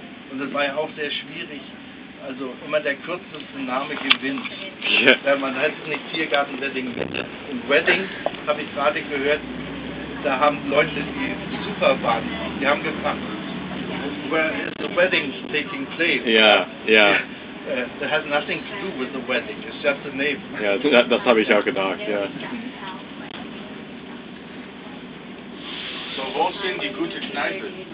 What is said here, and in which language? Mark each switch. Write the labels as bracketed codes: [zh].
[de] Und das war ja auch sehr schwierig, also immer der kürzeste Name gewinnt. Ja. Man heißt es nicht Tiergarten, Wedding, Mitte. Und Wedding, habe ich gerade gehört, da haben Leute die Superbahn, die haben gefragt, [en] where is the wedding taking place? [de] Ja. [en] That has nothing to do with the wedding, it's just the name. [de] Ja, das habe ich auch gedacht, ja. So, wo sind die gute Kneipen?